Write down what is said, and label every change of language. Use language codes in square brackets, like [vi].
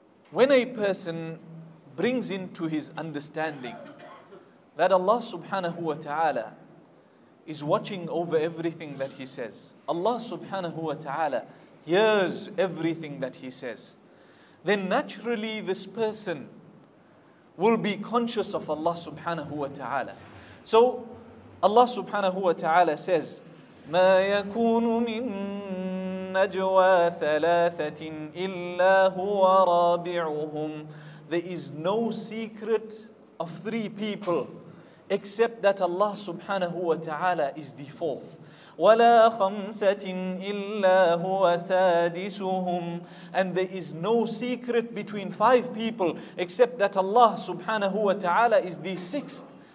[en] When a person brings into his understanding that Allah subhanahu wa ta'ala is watching over everything that he says, Allah subhanahu wa ta'ala hears everything that he says, then naturally this person will be conscious of Allah subhanahu wa ta'ala. So Allah subhanahu wa ta'ala says, [ar] مَا يَكُونُ مِن نَجْوَى ثَلَاثَةٍ إِلَّا هُوَ رَابِعُهُمْ. [en] There is no secret of three people except that Allah subhanahu wa ta'ala is the fourth. [ar] وَلَا خَمْسَةٍ إِلَّا هُوَ سَادِسُهُمْ. [en] And there is no secret between five people except that Allah subhanahu wa ta'ala is the sixth.